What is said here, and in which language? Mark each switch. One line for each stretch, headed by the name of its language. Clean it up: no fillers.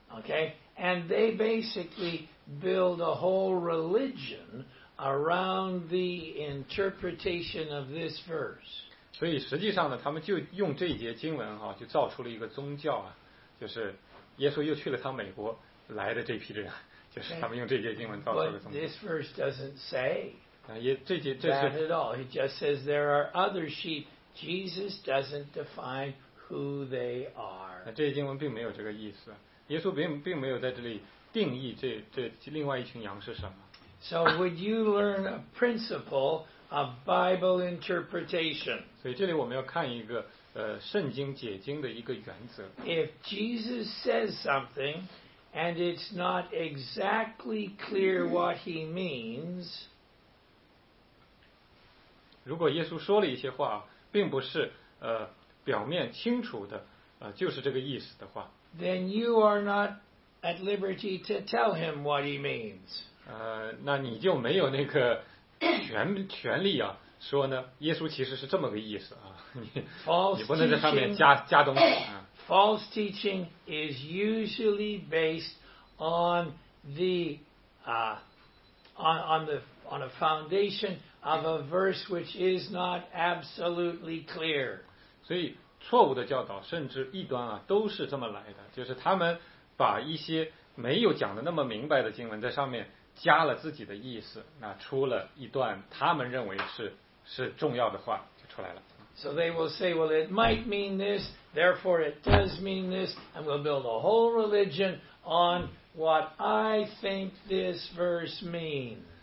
English: Okay, and they basically build a whole religion around the interpretation of this verse.
Chinese: 所以实际上呢，他们就用这一节经文哈、啊，就造出了一个宗教啊，就是耶稣又去了趟美国来的这批人，就是他们用这节经文造出了宗教。
English: But this verse doesn't say. Not at all. He just says there are other sheep. Jesus doesn't define who they are.
Chinese: 那这些经文并没有这个意思。耶稣并没有在这里定义这另外一群羊是什么。
English: So would you learn a principle of Bible interpretation?
Chinese: 所以这里我们要看一个圣经解经的一个原则。
English: If Jesus says something and it's not exactly clear what he means...
Chinese: 如果耶稣说了一些话，并不是表面清楚的就是这个意思的话
English: ，then you are not at liberty to tell him what he means。
Chinese: 那你就没有那个权利啊，说呢，耶稣其实是这么个意思啊，你不能在上面加东西啊。
English: False teaching is usually based on the on a foundation of a verse which is not absolutely clear.
Chinese: 所以错误的教导甚至异端啊都是这么来的，就是他们把一些没有讲的那么明白的经文在上面加了自己的意思，那出了一段他们认为是重要的话就出来了。
English: So they will say, well, it might mean this, therefore it does mean this, and we'll build a whole religion on what I think this verse means.